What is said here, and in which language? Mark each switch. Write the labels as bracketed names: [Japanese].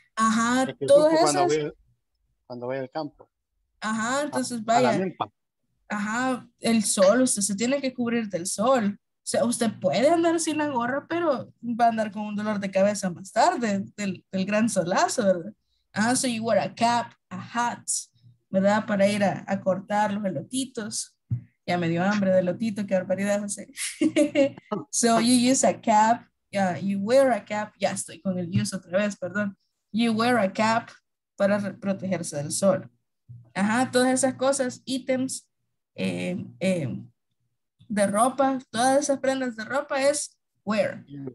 [Spanish] Ajá, todo eso. Cuando voy al campo. Ajá, entonces vaya. Ajá, el sol, usted se tiene que cubrir del sol. O sea, usted puede andar sin la gorra, pero va a andar con un dolor de cabeza más tarde, del gran solazo, ¿verdad? [English] Ajá, so you wear a cap, a hat. [Spanish] ¿Verdad? Para ir a cortar los elotitos. Ya me dio hambre de elotito, qué barbaridad. [English] So you use a cap. Yeah, you wear a cap. [Spanish] Ya estoy con el use otra vez, perdón. [English] You wear a cap [Spanish] para protegerse del sol. Ajá, todas esas cosas, ítems de ropa, todas esas prendas de ropa es wear.